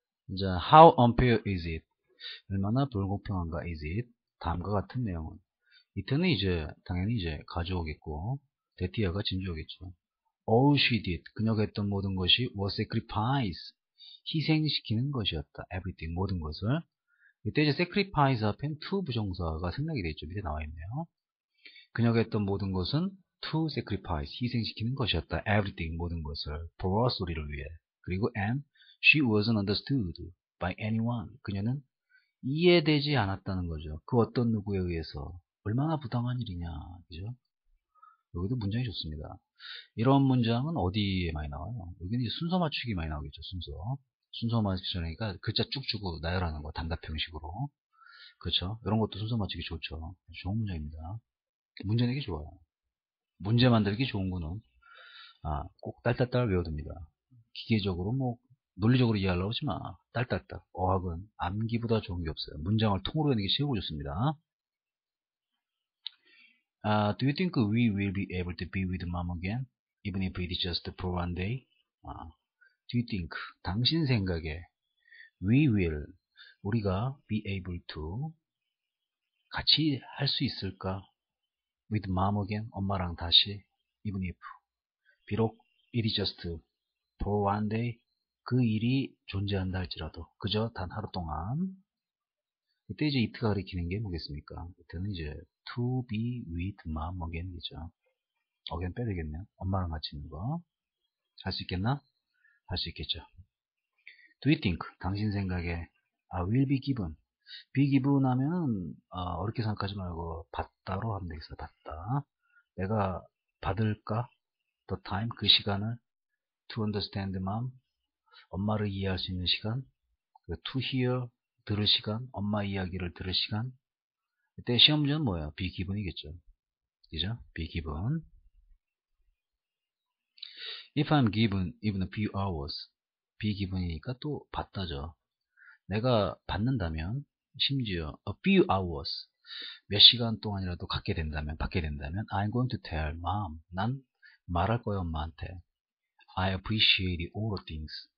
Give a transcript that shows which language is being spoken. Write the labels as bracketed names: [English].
[English] 이제 How unfair is it? [Korean] 얼마나 불공평한가 [English] is it? [Korean] 다음과 같은 내용은. 이때는 이제 당연히 이제 가져오겠고 데티아가 짐작하겠죠. [English] All she did. [Korean] 그녀가 했던 모든 것이 [English] was sacrifice. [Korean] 희생시키는 것이었다. Everything, 모든 것을. 이때 이제 sacrifice 앞엔 to 부정사가 생략이 되어 있죠. 밑에 나와 있네요. 그녀가 했던 모든 것은 [English] to sacrifice, [Korean] 희생시키는 것이었다. Everything, 모든 것을. [English] For us, [Korean] 우리를 위해. 그리고 [English] and she wasn't understood by anyone. [Korean] 그녀는 이해되지 않았다는 거죠. 그 어떤 누구에 의해서. 얼마나 부당한 일이냐, 그죠? 여기도 문장이 좋습니다. 이런 문장은 어디에 많이 나와요? 여기는 순서 맞추기 많이 나오겠죠, 순서. 순서 맞추니까 글자 쭉쭉 나열하는 거, 단답 형식으로. 그렇죠? 이런 것도 순서 맞추기 좋죠. 좋은 문장입니다. 문제 내기 좋아요. 문제 만들기 좋은 거는, 꼭 딸딸딸 외워둡니다. 기계적으로 뭐, 논리적으로 이해하려고 하지 마. 딸딸딸. 어학은 암기보다 좋은 게 없어요. 문장을 통으로 내는 게 최고 좋습니다. [English] Do you think we will be able to be with mom again? Even if it is just for one day? Do you think, [Korean] 당신 생각에, [English] we will, [Korean] 우리가 [English] be able to, [Korean] 같이 할 수 있을까? [English] With mom again, [Korean] 엄마랑 다시, [English] even if, [Korean] 비록 [English] it is just for one day, [Korean] 그 일이 존재한다 할지라도, 그저 단 하루 동안. 이때 이제 it가 가리키는 게 뭐겠습니까? 이때는 이제, [English] to be with mom again이죠. [Korean] again 빼야 되겠네요. 엄마랑 같이 있는 거. 할 수 있겠나? 할 수 있겠죠. [English] Do you think, [Korean] 당신 생각에, [English] will be given. [Korean] be given 하면은, 어렵게 생각하지 말고, 받다로 하면 되겠어요. 받다. 내가 받을까? [English] the time, [Korean] 그 시간을. [English] to understand mom. [Korean] 엄마를 이해할 수 있는 시간, [English] to hear, [Korean] 들을 시간, 엄마 이야기를 들을 시간. 이때 시험 문제는 뭐예요? be given이겠죠. 그죠? be given. [English] If I'm given even a few hours, be given이니까 [Korean] 또 받다죠. 내가 받는다면, 심지어 [English] a few hours, [Korean] 몇 시간 동안이라도 갖게 된다면, 받게 된다면, [English] I'm going to tell mom, [Korean] 난 말할 거예요, 엄마한테. [English] I appreciate all the things.